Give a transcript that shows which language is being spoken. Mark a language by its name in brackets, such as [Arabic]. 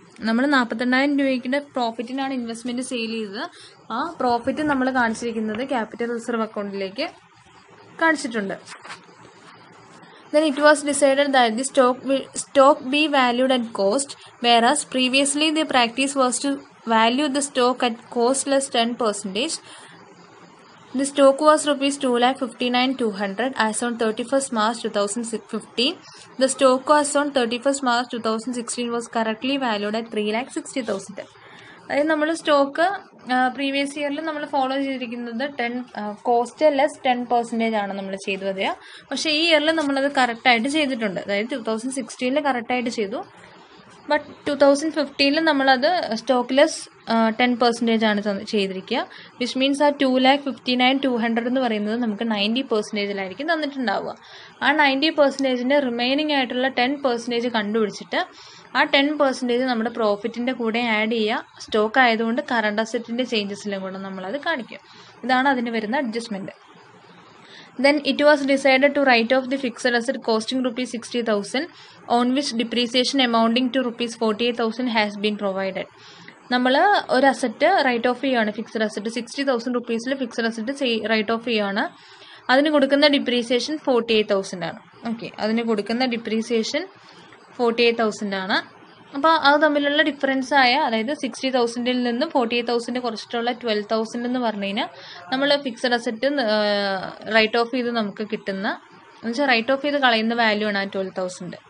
[Malayalam] നമ്മൾ 48,000 രൂപയ്ക്കിൻ്റെ പ്രോഫിറ്റിനാണ് investment sale ചെയ്തത്. ആ പ്രോഫിറ്റ് നമ്മൾ കാണിച്ചിരിക്കുന്നത് ക്യാപിറ്റൽ റിസർവ് അക്കൗണ്ടിലേക്ക് കാണിച്ചിട്ടുണ്ട്. [English] Then it was decided that the stock be valued at cost whereas previously the practice was to value the stock at cost less 10%. The stock was ₹2,59,200 as on 31st March 2015. The stock as on 31st March 2016 was correctly valued at ₹3,60,000. [Malayalam] നമ്മൾ stock previous ഇയറിൽ നമ്മൾ follow ചെയ്തിരിക്കുന്നത് 10% ആണ് നമ്മൾ ചെയ്തത്. പക്ഷേ ഈ ഇയറിൽ നമ്മളത് കറക്റ്റ് ആയിട്ട് ചെയ്തിട്ടുണ്ട്. അതായത് 2016 കറക്റ്റ് ആയിട്ട് ചെയ്തു. ബട്ട് 2015 നമ്മളത് സ്റ്റോക്ക് ലെസ് 10% ആണ് ചെയ്തിരിക്കുക. [English] which means [Malayalam] ആ 2,59,200 എന്ന് പറയുന്നത് നമുക്ക് 90% തന്നിട്ടുണ്ടാവുക. ആ 90%ൻ്റെ റിമൈനിങ് ആയിട്ടുള്ള 10% കണ്ടുപിടിച്ചിട്ട് ആ 10% നമ്മുടെ പ്രോഫിറ്റിൻ്റെ കൂടെ ആഡ് ചെയ്യുക. സ്റ്റോക്ക് ആയതുകൊണ്ട് കറണ്ട് അസറ്റിൻ്റെ ചേഞ്ചസിലും കൂടെ നമ്മളത് കാണിക്കും. ഇതാണ് അതിന് വരുന്ന adjustment. [English] Then it was decided to write off the fixed asset costing ₹60,000 on which depreciation amounting to ₹48,000 has been provided. [Malayalam] നമ്മൾ ഒരു അസറ്റ് റൈറ്റ് ഓഫ് ചെയ്യുകയാണ്. Fixed asset ₹60,000 fixed asset right of ചെയ്യുകയാണ്. അതിന് കൊടുക്കുന്ന ഡിപ്രീസിയേഷൻ 48,000 ആണ്. ഓക്കെ, അതിന് കൊടുക്കുന്ന depreciation 48,000 ആണ്. അപ്പോൾ അത് തമ്മിലുള്ള ഡിഫറൻസ് ആയ, അതായത് 60,000 നിന്ന് 48,000 കുറച്ചിട്ടുള്ള 12,000 എന്ന് പറഞ്ഞു കഴിഞ്ഞാൽ നമ്മൾ ഫിക്സഡ് അസറ്റ് റൈറ്റ് ഓഫ് ചെയ്ത് നമുക്ക് കിട്ടുന്ന, എന്നുവെച്ചാൽ റൈറ്റ് ഓഫ് ചെയ്ത് കളയുന്ന വാല്യൂ ആണ് ആ 12,000.